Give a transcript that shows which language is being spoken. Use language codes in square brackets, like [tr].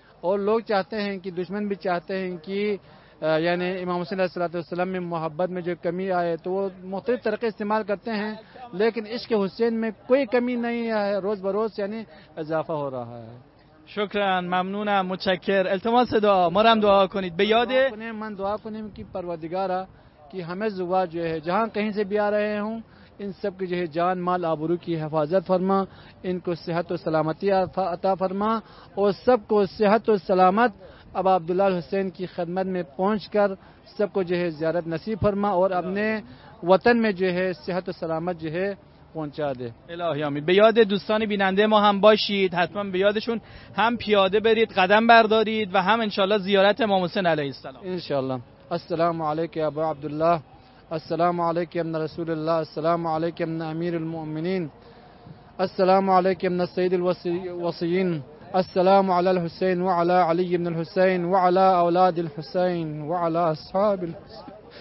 [ur] اور لوگ چاہتے ہیں کہ، دشمن بھی چاہتے ہیں کہ یعنی امام حسین علیہ الصلوۃ والسلام میں محبت میں جو کمی آئے، تو وہ مختلف طریقے استعمال کرتے ہیں، لیکن عشق حسین میں کوئی کمی نہیں آئے، روز بروز یعنی اضافہ ہو رہا ہے. [fa] شکراً، ممنونم، متشکر. التماس دعا، ما را هم دعا کنید به یاد [ur] من، دعا کنیم که پروردگارا کی ہمیں زبا جو ہے جہاں کہیں سے بھی آ رہے ہوں، ان سب کی جو ہے جان مال آبرو کی حفاظت فرما، ان کو صحت و سلامتی عطا فرما، اور سب کو صحت و سلامت اب عبداللہ الحسین کی خدمت میں پہنچ کر سب کو جو ہے زیارت نصیب فرما، اور اپنے وطن میں جو ہے صحت و سلامت جو ہے پہنچا دے. الہی آمین. [fa] به یاد دوستان بیننده ما هم باشید، حتما به یادشون هم پیاده برید، قدم بردارید و هم انشاءالله زیارت امام حسین علیه السلام. [ar] انشاءالله. السلام علیکم ابو عبداللہ، السلام علیکم ابن رسول اللہ، السلام علیکم ابن امیر المؤمنین، السلام علیکم ابن سید الوصیین، السلام علی الحسین وعلی علی ابن الحسین وعلی اولاد الحسین وعلی اصحاب الحسین.